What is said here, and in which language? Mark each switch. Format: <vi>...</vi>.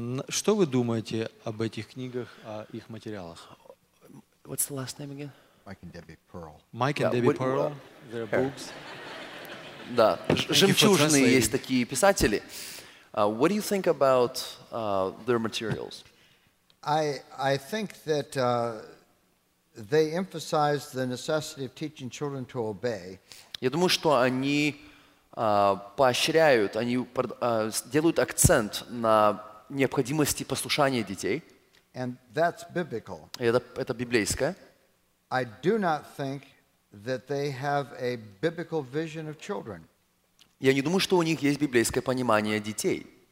<ru>Что вы думаете об этих книгах, о их материалах?</ru> <en>What's the last name again? Mike and Debbie Pearl. Mike and Debbie Pearl. Their books.</en> <ru>Да, жемчужные есть такие писатели.</ru> <en>What do you think about their materials? I think that they emphasize the necessity of teaching children to obey.</en> <ru>Я думаю, что они поощряют, они делают акцент на необходимости послушания детей.</ru> <en>And that's biblical.</en> <ru>Это библейское.</ru> <en>I do not think that they have a biblical vision of children.</en> <ru>Я не думаю, что у них есть библейское понимание детей.</ru>